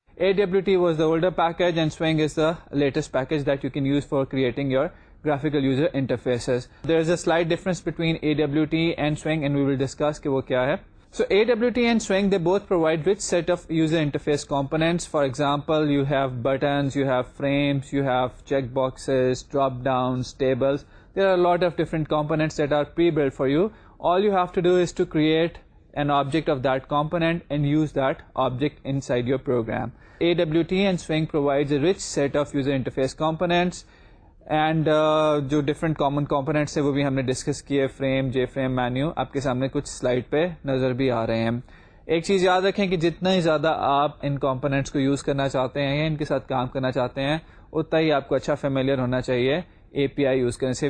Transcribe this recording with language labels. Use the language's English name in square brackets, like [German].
[English] A W T was the older package and Swing is the latest package that you can use for creating your graphical user interfaces. There is a slight difference between A W T and Swing and we will discuss [Urdu] کہ وہ کیا ہے. [English] So AWT and Swing, they both provide rich set of user interface components. For example, you have buttons, you have frames, you have checkboxes, drop-downs, tables. There are a lot of different components that are pre-built for you. All you have to do is to create an object of that component and use that object inside your program. AWT and Swing provides a rich set of user interface components. [Urdu] And جو different common components ہیں وہ بھی ہم نے discuss کیے, frame, جے frame, menu, آپ کے سامنے کچھ سلائڈ پہ نظر بھی آ رہے ہیں. ایک چیز یاد رکھیں کہ جتنا ہی زیادہ آپ ان کمپوننٹس کو یوز کرنا چاہتے ہیں یا ان کے ساتھ کام کرنا چاہتے ہیں اتنا ہی آپ کو اچھا فیملیئر ہونا چاہیے اے پی آئی یوز کرنے سے.